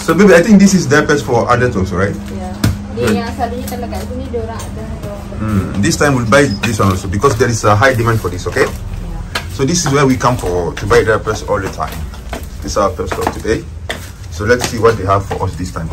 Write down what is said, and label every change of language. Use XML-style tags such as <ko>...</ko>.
<en>So baby, I think this is diapers for adults also, right? Yeah.</en> <ms>Ni yang selalunya kalau kat sini dia orang ada.</ms> <en>This time we'll buy this one also because there is a high demand for this, okay? Yeah. So this is where we come for to buy diapers all the time. This is our first stop today. So let's see what they have for us this time.</en>